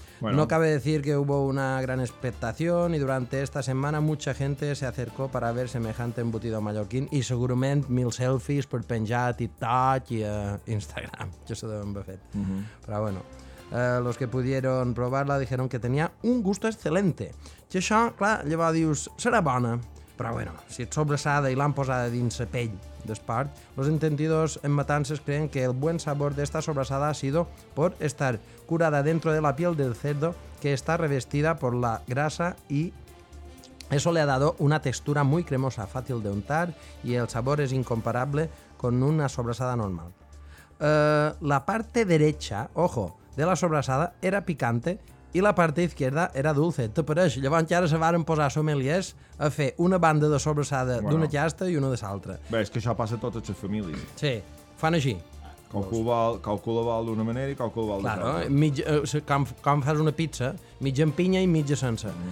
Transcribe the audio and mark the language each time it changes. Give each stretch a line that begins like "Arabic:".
Spanish: Bueno. No cabe decir que hubo una gran expectación y durante esta semana mucha gente se acercó para ver semejante embutido mallorquín y
Catalan: segurament mil selfies per penjar a TikTok i a Instagram. Jo s'ho deuen haver fet.
Spanish: Però bueno, los que pudieron probarla dijeron que tenía un gusto excelente.
Catalan: I això, clar, llavors dius, serà bona. Però bueno, si et sobrassada i l'han posada dins la pell d'espart,
Spanish: los entendidos en matances creen que el buen sabor de esta sobrassada ha sido por estar curada dentro de la piel del cerdo, que está revestida por la grasa y eso le ha dado una textura muy cremosa, fácil de untar y el sabor es incomparable con una sobrassada normal. La parte derecha, ojo, de la sobrassada era picante
Catalan: i la part
Spanish: izquierda era dulce.
Catalan: Te pareix? Llavors encara se varen posar sommeliers a fer una banda de sobrassada, bueno, d'una xasta i una de l'altra. Bé, és que això passa a totes les famílies. Sí, fan així. Calcula-ho d'una manera i calcula-ho d'una altra. Com fas una pizza, mitja amb pinya i mitja sense.